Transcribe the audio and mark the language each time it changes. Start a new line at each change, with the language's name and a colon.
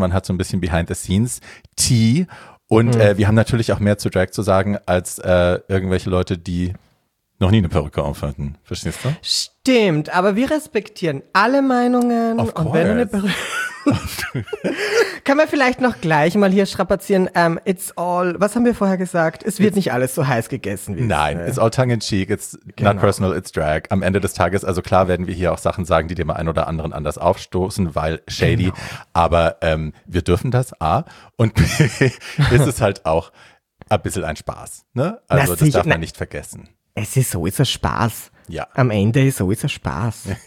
German: Man hat so ein bisschen Behind-the-Scenes-Tea. Und wir haben natürlich auch mehr zu Drag zu sagen, als irgendwelche Leute, die noch nie eine Perücke aufhatten. Verstehst du? Stimmt, aber wir respektieren alle Meinungen.
English: Of course.
German: Und wenn du eine Perücke kann man vielleicht noch gleich mal hier strapazieren.
English: It's all,
German: was haben wir vorher gesagt? Es wird nicht alles so heiß gegessen.
English: Nein, it's all tongue-in-cheek, it's not personal, it's drag.
German: Am Ende des Tages, also klar werden wir hier auch Sachen sagen, die dem einen oder anderen anders aufstoßen, weil shady. Genau. Aber wir dürfen das, A. Und B, ist es halt auch ein bisschen ein Spaß. Ne? Also das darf man nicht vergessen. Es ist so, ist ein Spaß. Ja. Am Ende ist so, ist ein Spaß.